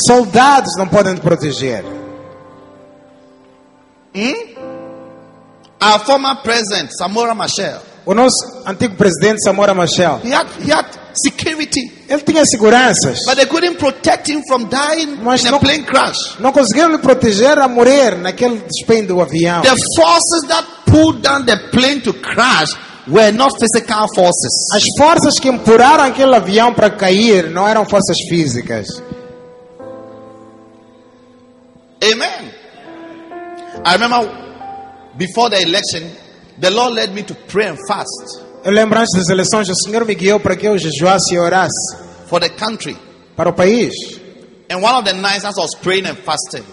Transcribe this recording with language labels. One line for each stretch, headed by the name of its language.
Portuguese: Soldados não podem te proteger.
English: Our former president, Samora Machel.
Portuguese: O nosso antigo presidente Samora Machel.
English: He had security.
Portuguese: Ele tinha seguranças.
English: But they couldn't protect him from dying in a plane crash.
Portuguese: Não conseguiram lhe proteger a morrer naquele despenho do avião.
English: The forces that pulled down the plane to crash were not physical forces.
Portuguese: As forças que empurraram aquele avião para cair não eram forças físicas.
English: Amen. I remember before the election, the Lord led me to pray and fast.
Portuguese: Eu lembro antes das eleições, o Senhor me guiou para que eu jejuasse e orasse.
English: For the country.
Portuguese: Para o país.
English: And one of the nights as I was praying and fasting,